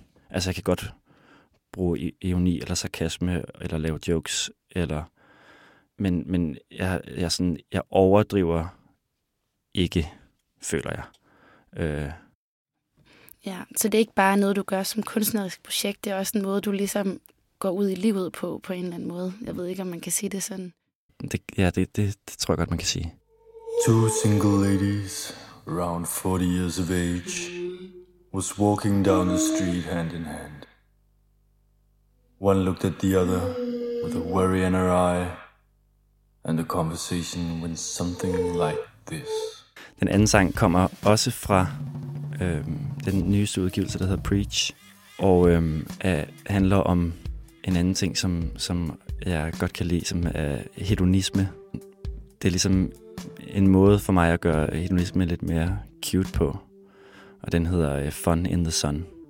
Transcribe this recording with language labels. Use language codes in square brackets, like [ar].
[da] Altså jeg kan godt bruge ironi eller sarkasme eller lave jokes, men jeg overdriver ikke, føler jeg. Ja, så det er ikke bare noget, du gør som kunstnerisk projekt, det er også en måde, du ligesom går ud i livet på en eller anden måde. Jeg ved ikke, om man kan sige det sådan. Det tror jeg godt, man kan sige. [en] Two single ladies, around 40 years of age, was walking down the street hand in hand. One looked at the other with a worry in her eye, and the conversation went something like this. [da] Den anden sang kommer også fra den nyeste udgivelse, der hedder Preach, og handler om en anden ting, som jeg godt kan lide, som er hedonisme. Det er ligesom en måde for mig at gøre hedonisme lidt mere cute på, og den hedder Fun in the Sun.